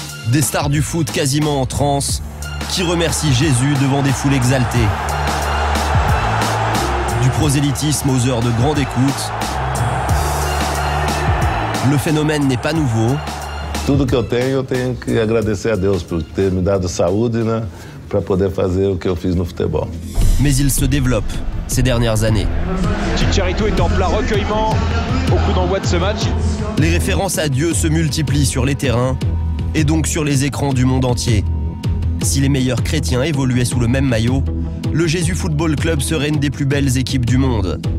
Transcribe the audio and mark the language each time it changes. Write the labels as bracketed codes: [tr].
[fr] Des stars du foot quasiment en transe qui remercient Jésus devant des foules exaltées. Du prosélytisme aux heures de grande écoute. Le phénomène n'est pas nouveau. [pt] Tudo que eu tenho que agradecer a Deus por ter me dado saúde, né, para poder fazer o que eu fiz no futebol. Mas ele se [fr] développe ces dernières années. Chicharito est en plein recueillement au coup d'envoi de ce match. Les références à Dieu se multiplient sur les terrains et donc sur les écrans du monde entier. Si les meilleurs chrétiens évoluaient sous le même maillot, le Jésus Football Club serait une des plus belles équipes du monde.